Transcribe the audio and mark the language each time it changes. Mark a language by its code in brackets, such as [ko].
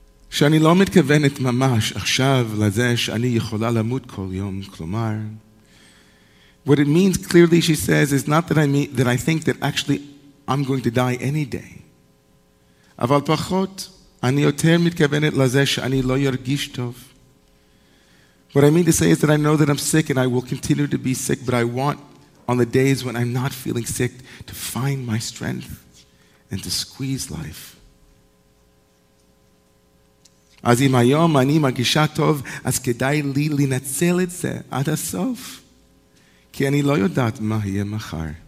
[he] שאני לא מתכוונת ממש עכשיו לזה שאני יכולה למות כל יום, כלומר. [en] What it means clearly, she says, is not that I think that actually I'm going to die any day. [he] אבל פחות, אני יותר מתכוונת לזה שאני לא ירגיש טוב. [en] What I mean to say is that I know that I'm sick and I will continue to be sick, but I want on the days when I'm not feeling sick to find my strength and to squeeze life. [he] אז אם היום אני מרגישה טוב, אז כדאי לי לנצל את זה עד הסוף, כי אני לא יודעת מה יהיה מחר.